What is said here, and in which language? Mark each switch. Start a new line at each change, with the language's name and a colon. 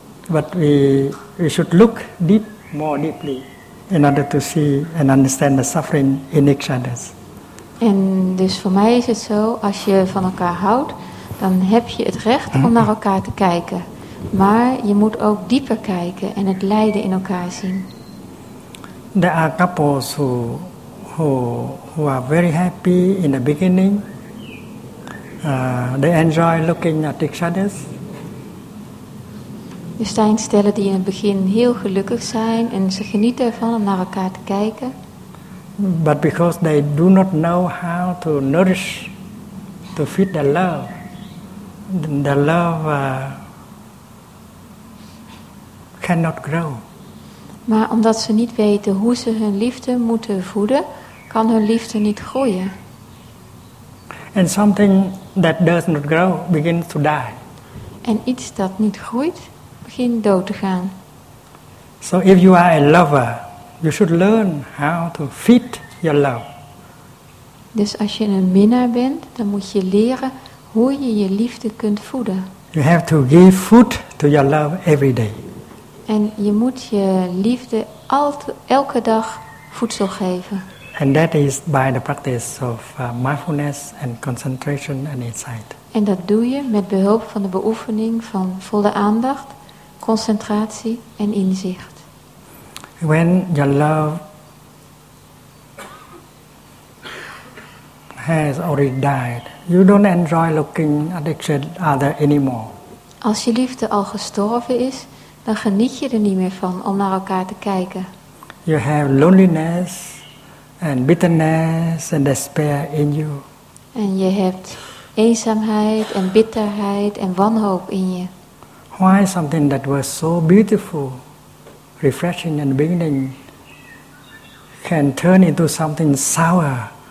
English: But we should look deep, more deeply, in order to see and understand the suffering in each other.
Dutch: En dus voor mij is het zo, als je van elkaar houdt, dan heb je het recht om naar elkaar te kijken. Maar je moet ook dieper kijken en het lijden in elkaar zien.
English: There are couples who are very happy in the beginning. They enjoy looking at each other.
Dutch: Er zijn stellen die in het begin heel gelukkig zijn en ze genieten ervan om naar elkaar te kijken.
English: But because they do not know how to nourish, to feed their love. The love cannot grow.
Dutch: Maar omdat ze niet weten hoe ze hun liefde moeten voeden, kan hun liefde niet groeien.
English: And something that does not grow begins to die.
Dutch: En iets dat niet groeit, begint dood te gaan.
English: So if you are a lover, you should learn how to feed your love.
Dutch: Dus als je een minnaar bent, dan moet je leren hoe je je liefde kunt voeden.
English: You have to give food to your love every day.
Dutch: En je moet je liefde elke dag voedsel geven.
English: And that is by the practice of mindfulness and concentration and insight.
Dutch: En dat doe je met behulp van de beoefening van volle aandacht, concentratie en inzicht.
English: When your love has already died, you don't enjoy looking at each other anymore.
Dutch: Als je liefde al gestorven is, dan geniet je er niet meer van om naar elkaar te kijken.
English: You have loneliness and bitterness and despair in you.
Dutch: En je hebt eenzaamheid en bitterheid en wanhoop in je.
English: Why something that was so beautiful, refreshing and beginning can turn into something sour?